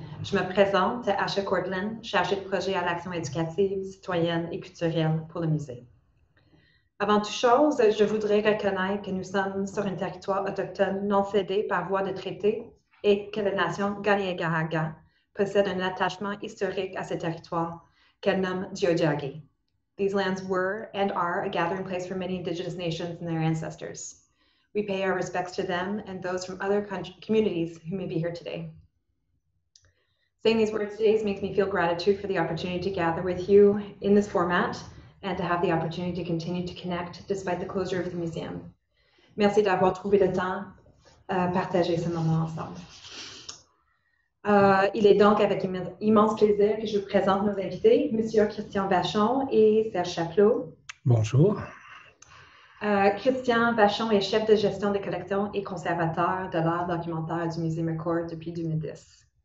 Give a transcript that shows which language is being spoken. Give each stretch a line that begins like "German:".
French: Je me présente, Asha Courtland, chargée de projet à l'action éducative, citoyenne et culturelle pour le musée. Avant toute chose, je voudrais reconnaître que nous sommes sur un territoire autochtone non cédé par voie de traité et que la nation Galien-Garragan possède un attachement historique à ce territoire qu'elle nomme Diodiaghi.
English: These lands were and are a gathering place for many Indigenous nations and their ancestors. We pay our respects to them and those from other communities who may be here today. Saying these words today makes me feel gratitude for the opportunity to gather with you in this format and to have the opportunity to continue to connect despite the closure of the museum.
French: Merci d'avoir trouvé le temps à partager ce moment ensemble. Il est donc avec immense plaisir que je vous présente nos invités, Monsieur Christian Vachon et Serge Chapleau. Bonjour. Christian Vachon est chef de gestion des collections et conservateur de l'art documentaire du Musée McCord depuis 2010.